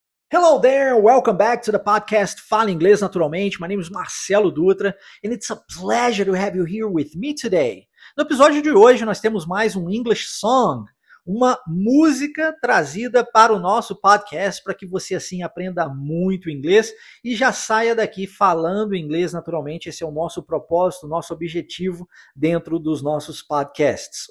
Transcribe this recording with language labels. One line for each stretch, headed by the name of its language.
English: Hello there, welcome back to the podcast Fala Inglês Naturalmente. My name is Marcelo Dutra, and it's a pleasure to have you here with me today.
Portuguese: No episódio de hoje, nós temos mais um English Song, uma música trazida para o nosso podcast, para que você, assim, aprenda muito inglês e já saia daqui falando inglês naturalmente. Esse é o nosso propósito, nosso objetivo dentro dos nossos podcasts.